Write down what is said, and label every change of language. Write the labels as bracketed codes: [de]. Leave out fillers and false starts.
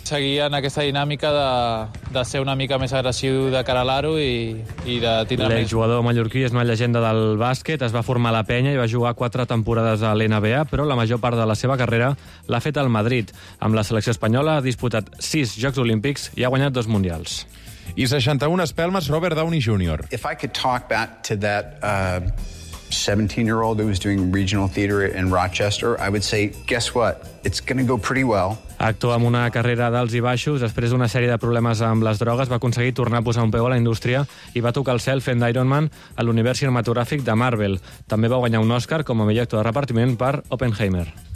[ca] Seguia en aquesta dinàmica de ser una mica més agressiu de cara a l'aro i de tindre més. L'exjugador mallorquí és una llegenda del bàsquet, es va formar a la penya i va jugar 4 temporades a l'NBA, però la major part de la seva carrera l'ha fet al Madrid. Amb la selecció espanyola ha disputat 6 Jocs Olímpics i ha guanyat 2 Mundials. I 61 espelmes, Robert Downey Jr. [en] If I could talk back to that... 17-year-old who was doing regional theater in Rochester, I would say, guess what? It's going to go pretty well. [ca] Actua amb una carrera d'alts i baixos, després d'una sèrie de problemes amb les drogues, va aconseguir tornar a posar un peu a la indústria i va tocar el cel fent d'Iron Man a l'univers cinematogràfic de Marvel. També va guanyar un Oscar com a millor actor de repartiment per Oppenheimer.